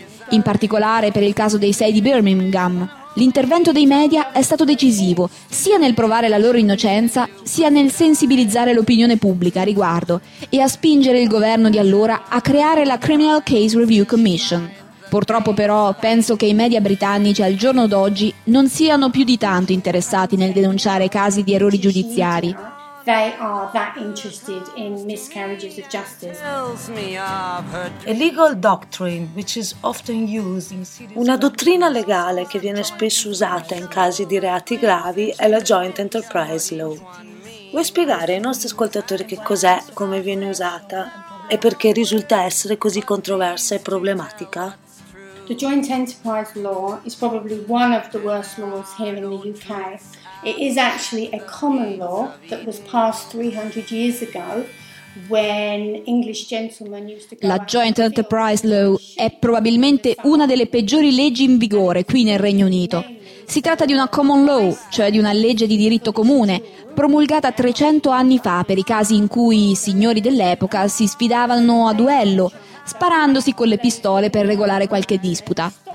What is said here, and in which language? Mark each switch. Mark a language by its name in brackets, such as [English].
[Italian] In particolare per il caso dei 6 di Birmingham, l'intervento dei media è stato decisivo sia nel provare la loro innocenza sia nel sensibilizzare l'opinione pubblica a riguardo e a spingere il governo di allora a creare la Criminal Case Review Commission. Purtroppo però penso che i media britannici al giorno d'oggi non siano più di tanto interessati nel denunciare casi di errori giudiziari. [English] They are that interested in miscarriages of justice. Tells me of her... A legal doctrine which is often used in... [Italian] Una dottrina legale che viene spesso usata in casi di reati gravi è la Joint Enterprise Law. Vuoi spiegare ai nostri ascoltatori che cos'è, come viene usata e perché risulta essere così controversa e problematica? [English] The joint enterprise law is probably one of the worst laws here in the UK. It is actually a common law that was passed 300 years ago when English gentlemen used to go. [Italian] La joint enterprise law è probabilmente una delle peggiori leggi in vigore qui nel Regno Unito. Si tratta di una common law, cioè di una legge di diritto comune, promulgata 300 anni fa per i casi in cui i signori dell'epoca si sfidavano a duello, sparandosi con le pistole per regolare qualche disputa.